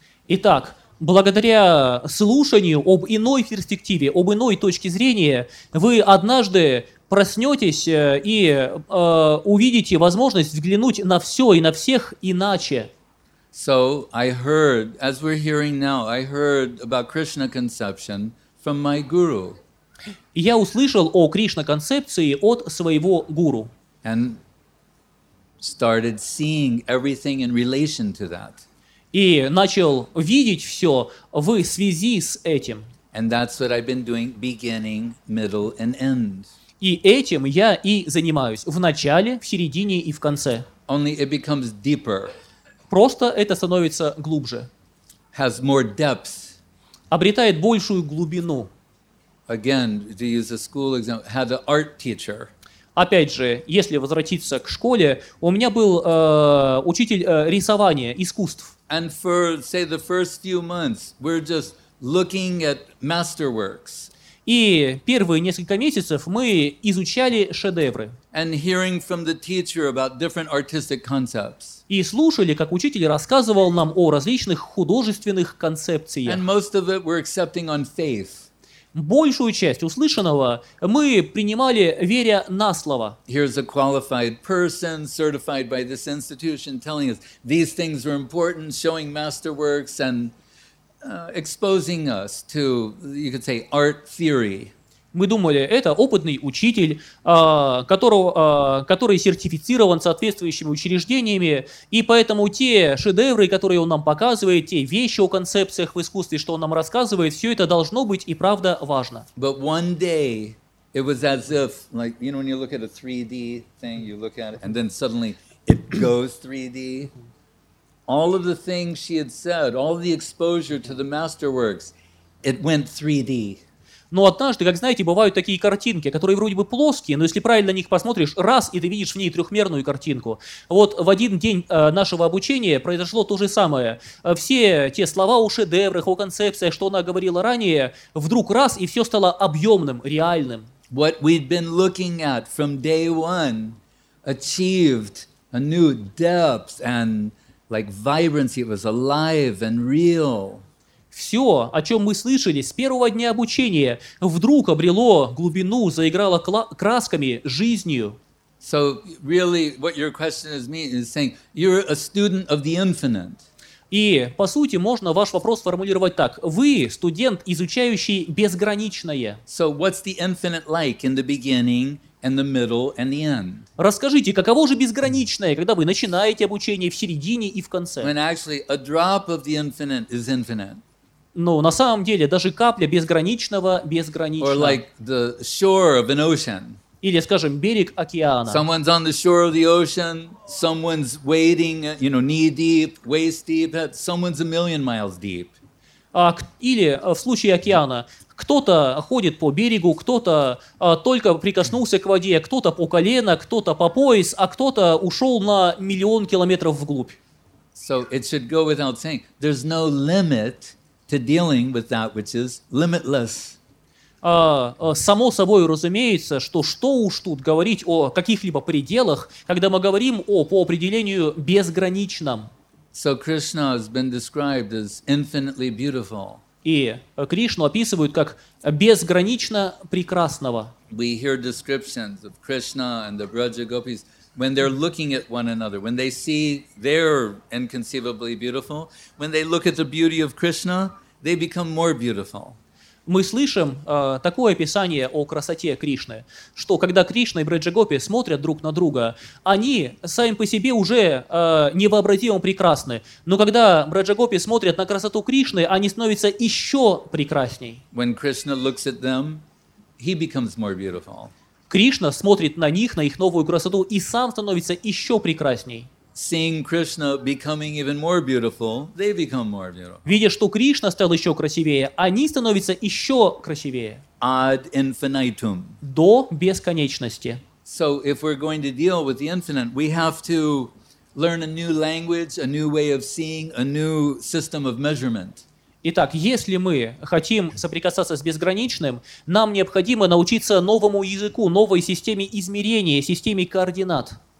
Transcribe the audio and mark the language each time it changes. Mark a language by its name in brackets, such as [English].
[Russian] Итак, благодаря слушанию об иной перспективе, об иной точке зрения, вы однажды проснетесь и увидите возможность взглянуть на все и на всех иначе. [English] So I heard, as we're hearing now, I heard about Krishna conception from my guru. [Russian] Я услышал о Кришна концепции от своего гуру. [English] And started seeing everything in relation to that. [Russian] И начал видеть все в связи с этим. [English] And that's what I've been doing, beginning, middle, and end. [Russian] И этим я и занимаюсь в начале, в середине и в конце. [English] Only it becomes deeper. [Russian] Просто это становится глубже. [English] Has more depth. [Russian] Обретает большую глубину. [English] Again, to use a school example, had an art teacher. [Russian] Опять же, если возвратиться к школе, у меня был учитель рисования, искусств. [English] And for, say, the first few months, we're just looking at masterworks. [Russian] И первые несколько месяцев мы изучали шедевры. [English] And hearing from the teacher about different artistic concepts. [Russian] И слушали, как учитель рассказывал нам о различных художественных концепциях. [English] And most of it we're accepting on faith. [Russian] Большую часть услышанного мы принимали, веря на слово. [English] Here's a qualified person, certified by this institution, telling us these things are important, showing masterworks and exposing us to, you could say, art theory. [Russian] Мы думали, это опытный учитель, который сертифицирован соответствующими учреждениями, и поэтому те шедевры, которые он нам показывает, те вещи о концепциях в искусстве, что он нам рассказывает, все это должно быть и правда важно. [English] But one day it was as if, like, you know, when you look at a 3D thing, you look at it, and then suddenly it goes 3D. All of the things she had said, all the exposure to the masterworks, it went 3D. [Russian] Но однажды, как знаете, бывают такие картинки, которые вроде бы плоские, но если правильно на них посмотришь, раз, и ты видишь в ней трехмерную картинку. Вот в один день нашего обучения произошло то же самое. Все те слова о шедеврах, о концепциях, что она говорила ранее, вдруг раз, и все стало объемным, реальным. [English] What we'd been looking at from day one achieved a new depth and like vibrancy. It was alive and real. [Russian] Все, о чем мы слышали с первого дня обучения, вдруг обрело глубину, заиграло красками, жизнью. [English] So really, what your question is meaning is saying you're a student of the infinite. [Russian] И, по сути, можно ваш вопрос формулировать так. Вы студент, изучающий безграничное. [English] So what's the infinite like in the beginning and the middle and the end? [Russian] Расскажите, каково же безграничное, когда вы начинаете обучение в середине и в конце? [English] When actually a drop of the infinite is infinite. [Russian] Ну, на самом деле, даже капля безграничного безгранична. [English] Or like the shore of an ocean. [Russian] Или, скажем, берег океана. [English] Someone's on the shore of the ocean, someone's wading, you know, knee-deep, waist-deep, someone's a million miles deep. [Russian] Или в случае океана, кто-то ходит по берегу, кто-то только прикоснулся к воде, кто-то по колено, кто-то по пояс, а кто-то ушел на миллион километров вглубь. [English] So it should go without saying, there's no limit to dealing with that which is limitless. [Russian] Само собой разумеется, что что уж тут говорить о каких-либо пределах, когда мы говорим о, по определению, безграничном. [English] So Krishna has been described as infinitely beautiful. [Russian] И Кришну описывают как безгранично прекрасного. [English] We hear descriptions of Krishna and the Braja Gopis when they're looking at one another, when they see they're inconceivably beautiful, when they look at the beauty of Krishna, they become more beautiful. [Russian] Мы слышим такое описание о красоте Кришны, что когда Кришна и Бриджа-гопи смотрят друг на друга, они сами по себе уже невообразимо прекрасны. Но когда Бриджа-гопи смотрят на красоту Кришны, они становятся еще прекрасней. [English] When Krishna looks at them, he becomes more beautiful. [Russian] Кришна смотрит на них, на их новую красоту, и сам становится еще прекрасней. [English] Seeing Krishna becoming even more beautiful, they become more beautiful. [Russian] Видя, что Кришна стал еще красивее, они становятся еще красивее. [English] Ad infinitum. [Russian] До бесконечности. [English] So if we're going to deal with the infinite, we have to learn a new language, a new way of seeing, a new system of measurement. [Russian] Итак, если мы хотим соприкасаться с безграничным, нам необходимо научиться новому языку, новой системе измерения, системе координат.